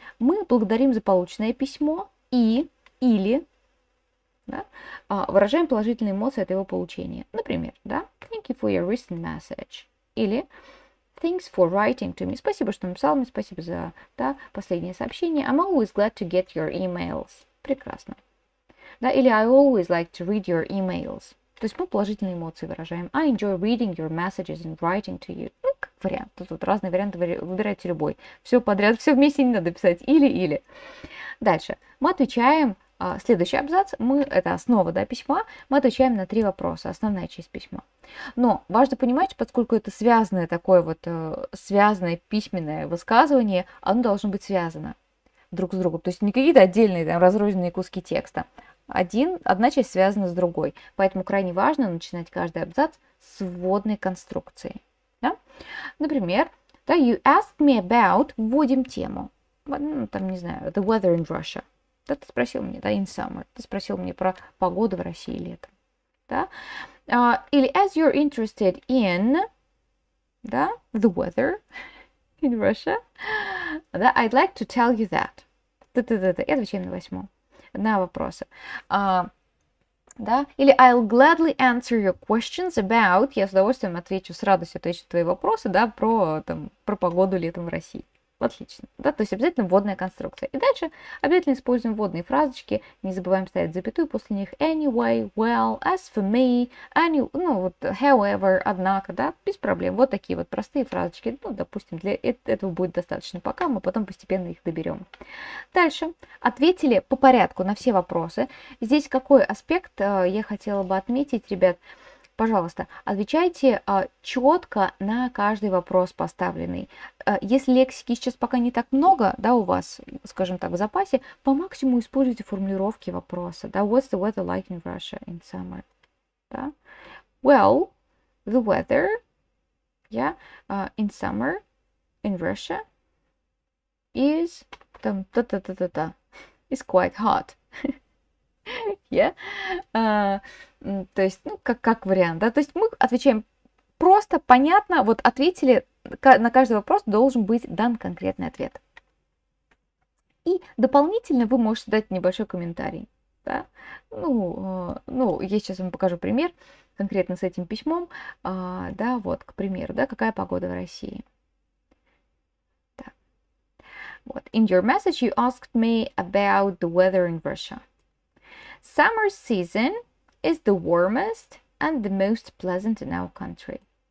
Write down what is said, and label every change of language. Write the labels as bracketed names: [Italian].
[Russian] Мы благодарим за полученное письмо и или... Да? А, выражаем положительные эмоции от его получения. Например, да? [English] Thank you for your recent message. [Russian] Или [English] thanks for writing to me. [Russian] Спасибо, что написал мне, спасибо за, да, последнее сообщение. [English] I'm always glad to get your emails. [Russian] Прекрасно. Да? Или [English] I always like to read your emails. [Russian] То есть мы положительные эмоции выражаем. [English] I enjoy reading your messages and writing to you. [Russian] Ну, как вариант. Тут разные варианты, выбирайте любой. Все подряд, все вместе не надо писать. Или-или. Дальше. Мы отвечаем... Следующий абзац, это основа, да, письма, мы отвечаем на три вопроса, основная часть письма. Но важно понимать, поскольку это связанное такое вот, связанное письменное высказывание, оно должно быть связано друг с другом. То есть не какие-то отдельные там разрозненные куски текста. Одна часть связана с другой. Поэтому крайне важно начинать каждый абзац с вводной конструкции. Да? Например, да, [English] you asked me about, [Russian] вводим тему, ну, там, не знаю, [English] the weather in Russia. [Russian] Да, ты спросил мне, да, [English] in summer. [Russian] Ты спросил мне про погоду в России летом. Да? Или [English] as you're interested in, да, the weather in Russia, да, I'd like to tell you that. [Russian] Да. И отвечаем на восьмую. На вопросы. Да? Или [English] I'll gladly answer your questions about, [Russian] я с удовольствием отвечу, с радостью отвечу на твои вопросы, да, про, там, про погоду летом в России. Отлично. Да, то есть обязательно вводная конструкция. И дальше обязательно используем вводные фразочки. Не забываем ставить запятую после них. [English] Anyway, well, as for me, any, ну, вот, however, [Russian] однако, да, без проблем. Вот такие вот простые фразочки. Ну, допустим, для этого будет достаточно пока, мы потом постепенно их доберем. Дальше. Ответили по порядку на все вопросы. Здесь какой аспект я хотела бы отметить, ребят? Пожалуйста, отвечайте четко на каждый вопрос поставленный. Если лексики сейчас пока не так много, да, у вас, скажем так, в запасе, по максимуму используйте формулировки вопроса. [English] Да, what's the weather like in Russia in summer? Да? Well, the weather, yeah, in summer in Russia is [Russian] там та-та-та-та-та [English] is quite hot. [Russian] То есть, ну, как вариант, да, то есть мы отвечаем просто, понятно, вот ответили, на каждый вопрос должен быть дан конкретный ответ. И дополнительно вы можете дать небольшой комментарий, да, ну, я сейчас вам покажу пример конкретно с этим письмом, да, вот, к примеру, да, какая погода в России. Так. [English] Вот, in your message you asked me about the weather in Russia. Summer season is the warmest and the most pleasant in our country.